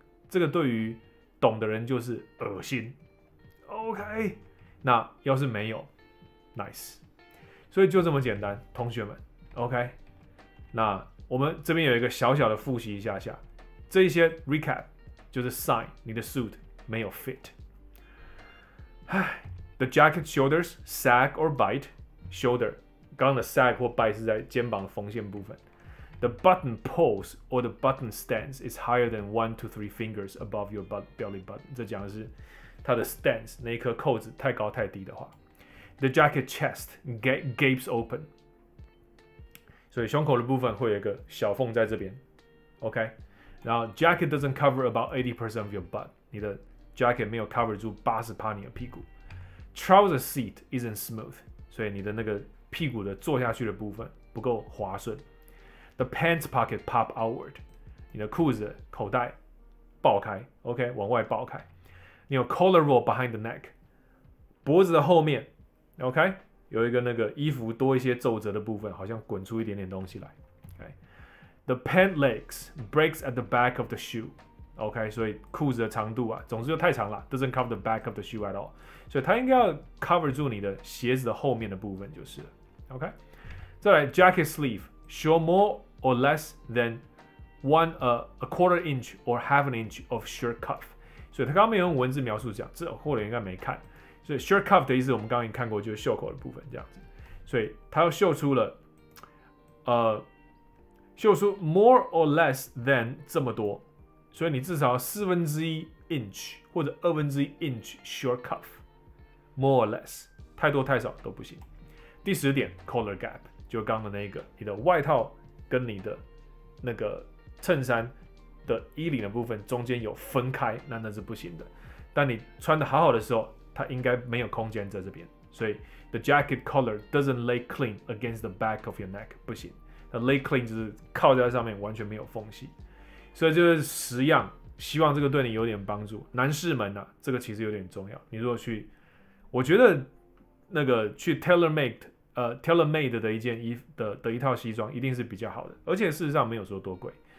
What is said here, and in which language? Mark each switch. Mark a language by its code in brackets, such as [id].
[zh] 这个对于懂的人就是恶心。OK， 那要是没有 ，nice。所以就这么简单，同学们。OK， 那我们这边有一个小小的复习一下下，这一些 recap。 [en] 就是 sign 你的 suit 没有 fit， the jacket shoulders sag or bite shoulder， [zh] 刚的 sag 或 bite 是在肩膀的缝线部分， [en] the button pulls or the button stance is higher than 1-3 fingers above your belly button， [zh] 这讲的是它的 stance 那一颗扣子太高太低的话， [en] the jacket chest gapes open， [zh] 所以胸口的部分会有一个小缝在这边， [en] OK。然后 jacket doesn't cover about 80% of your butt， [zh] 你的 jacket 没有 cover 住 80% 你的屁股， [en] trouser seat isn't smooth， [zh] 所以你的那个屁股的坐下去的部分不够滑顺， [en] the pants pocket pop outward， [zh] 你的裤子口袋爆开， [en] OK， 往外爆开，你有 collar roll behind the neck， 脖子的后面， OK， [zh] 有一个那个衣服多一些皱褶的部分，好像滚出一点点东西来。 [en] The pant legs breaks at the back of the shoe. OK， [zh] 所以裤子的长度啊，总之就太长了， [en] doesn't cover the back of the shoe at all. [zh] 所以它应该要 cover 住你的鞋子的后面的部分就是了。 [en] OK， 再来 jacket sleeve show more or less than one a quarter inch or half an inch of shirt cuff. [zh] 所以他刚刚没有用文字描述讲，这或者应该没看。所以 shirt cuff 的意思我们刚刚看过，就是袖口的部分这样子。所以他又秀出了，秀出 more or less than 这么多，所以你至少要四分之一 inch 或者二分之一 inch short cuff， more or less， 太多太少都不行。第十点 collar gap， 就刚的那个，你的外套跟你的那个衬衫的衣领的部分中间有分开，那是不行的。但你穿的好好的时候，它应该没有空间在这边，所以 [en] the jacket collar doesn't lay clean against the back of your neck， [zh] 不行。那 lay clean 就是靠在上面，完全没有缝隙，所以就是十样，希望这个对你有点帮助。男士们啊，这个其实有点重要。你如果去，我觉得那个去 tailor made 的一套西装一定是比较好的，而且事实上没有说多贵。